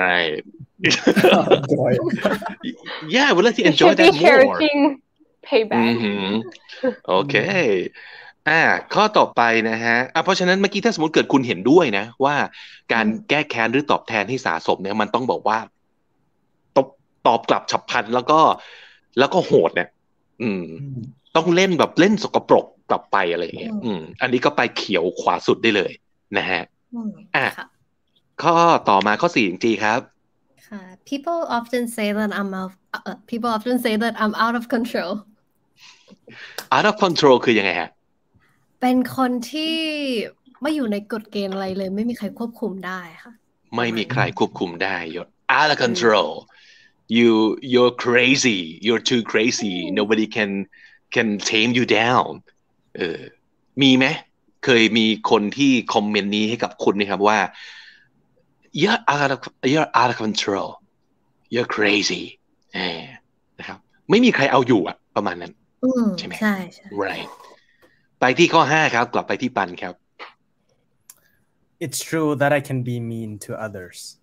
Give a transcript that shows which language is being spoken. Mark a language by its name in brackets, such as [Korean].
[English] right enjoy yeah we'll let you enjoy that more payback [Thai] okay ข้อต่อไปนะฮะเพราะฉะนั้นเมื่อกี้ถ้าสมมติเกิดคุณเห็นด้วยนะว่าการแก้แค้นหรือตอบแทนให้สะสมเนี่ยมันต้องบอกว่าตอบกลับฉับพลันแล้วก็โหดเนี่ยต้องเล่นแบบเล่นสกปรกกลับไปอะไรอย่างเงี้ยอันนี้ก็ไปเขียวขวาสุดได้เลยนะฮะข้อต่อมาข้อ4จริงๆครับ [English] ค่ะ people often say that I'm out people often say that I'm out of control [Thai] out of control คือยังไงฮะ เป็นคนที่ไม่อยู่ในกฎเกณฑ์อะไรเลยไม่มีใครควบคุมได้ ค่ ะ ไม่มีใครควบคุมได้ [English] out of control you're crazy you're too crazy nobody can tame you down [Thai] มีไหมเคยมีคนที่คอมเมนต์นี้ให้กับคุณไหมครับว่า [English] you're out of control you're crazy [Thai] นะครับไม่มีใครเอาอยู่อ่ะประมาณนั้น ใช่ไหมใช่ใช่ right ไปที่ข้อ5ครับกลับไปที่ปันครับ [English] it's true that I can be mean to others